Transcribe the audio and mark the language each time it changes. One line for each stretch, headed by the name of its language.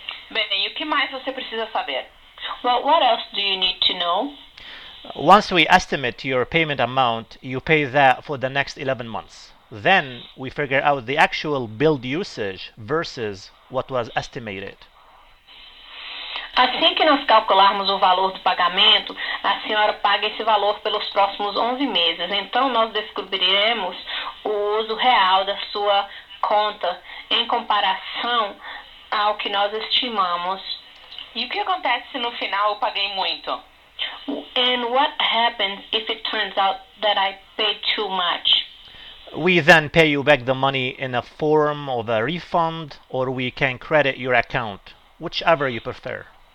Portuguese: Bem, e o que mais você precisa saber?
English: Well, what else do you need to know? Once we estimate your payment amount, you pay that for the next 11 months. Then we figure out the actual bill usage versus what was estimated.
Portuguese: Assim que nós calcularmos o valor do pagamento, a senhora paga esse valor pelos próximos 11 meses. Então, nós descobriremos o uso real da sua conta em comparação ao que nós estimamos. E o que acontece se no final eu paguei muito?
English: And what happens if it turns out that I paid too much? We then pay you back the money in a form of a refund, or we can credit your account, whichever you prefer.